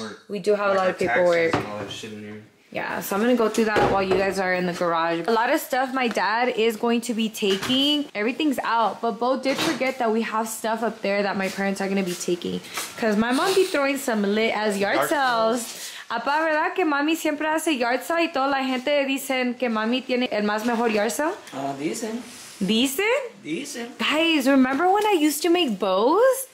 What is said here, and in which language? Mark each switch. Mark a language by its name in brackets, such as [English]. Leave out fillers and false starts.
[English] We do have a lot of paperwork. Yeah, so I'm going to go through that while you guys are in the garage. A lot of stuff my dad is going to be taking. Everything's out, but Bo did forget that we have stuff up there that my parents are going to be taking. Because my mom be throwing some lit as yard sales. [Spanish] Apa, ¿verdad que mami siempre hace yard sale y toda la gente dicen que mami tiene el más mejor yard sale? Dicen. [English] Decent? Decent. Guys, remember when I used to make bows?